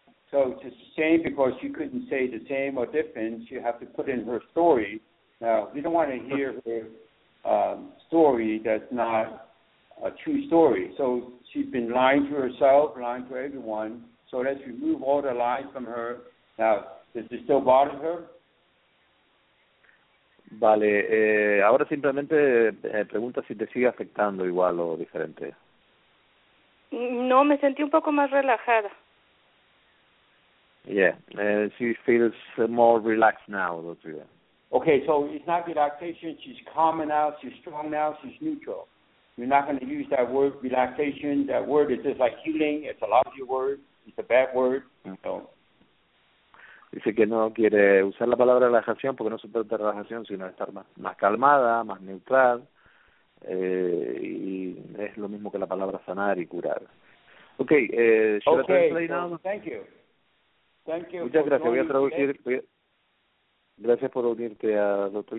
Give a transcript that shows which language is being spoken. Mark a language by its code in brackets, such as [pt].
[en] So it's the same because she couldn't say the same or different. She has to put in her story. Now, we don't want to hear her story that's not a true story. So she's been lying to herself, lying to everyone. So let's remove all the lies from her. Now, does it still bother her? [es] Vale, ahora simplemente pregunta si te sigue afectando igual o diferente. No, me sentí un poco más relajada. [en] Yeah, she feels more relaxed now, Dr. Yang. Okay, so it's not relaxation, she's calmer now, she's strong now, she's neutral. You're not going to use that word, relaxation. That word is just like healing, it's a lousy word, it's a bad word. So. [es] Dice que no quiere usar la palabra relajación porque no se trata de relajación, sino de estar más calmada, más neutral, y es lo mismo que la palabra sanar y curar. [en] Okay, should okay, I translate now? Thank you. [es] Muchas gracias, voy a traducir. Gracias por unirte a Dr.